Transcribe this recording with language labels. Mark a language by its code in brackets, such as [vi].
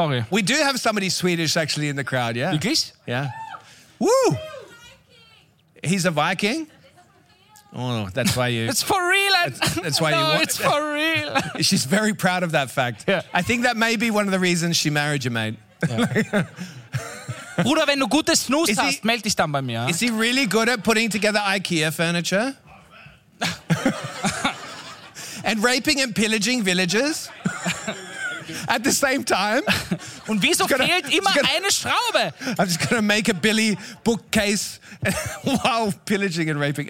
[en] We do have somebody Swedish actually in the crowd, yeah? [de] Wirklich? [en] Yeah. Woo! He's a Viking? Oh, that's why you... It's for real. That's why no, you... No, it's for real. She's very proud of that fact. Yeah. I think that may be one of the reasons she married you, mate. Yeah. [de] Bruder, wenn du gute Snooze hast, melde dich dann bei mir. [en] Is he really good at putting together IKEA furniture? And raping and pillaging villages? at the same time. [de] Und wieso fehlt immer eine Schraube? [en] I'm just gonna make a Billy bookcase while pillaging and raping.